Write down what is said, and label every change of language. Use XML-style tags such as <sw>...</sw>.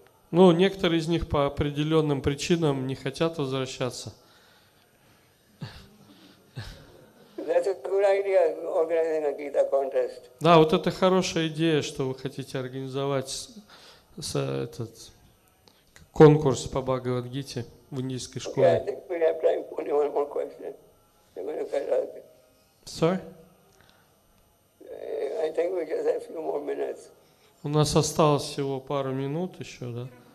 <ru>Ну, некоторые из них по определенным причинам не хотят возвращаться.</ru> <en>That's a good idea, organizing a Gita contest.</en> <ru>Да, вот это хорошая идея, что вы хотите организовать этот конкурс по Бхагавад-Гите в индийской школе.</ru> <en>Okay, I think we have time for only one more question. I'm going to cut out. Sir? I think we just have a few more minutes.</en> <ru>У нас осталось всего пару минут еще, да?</ru>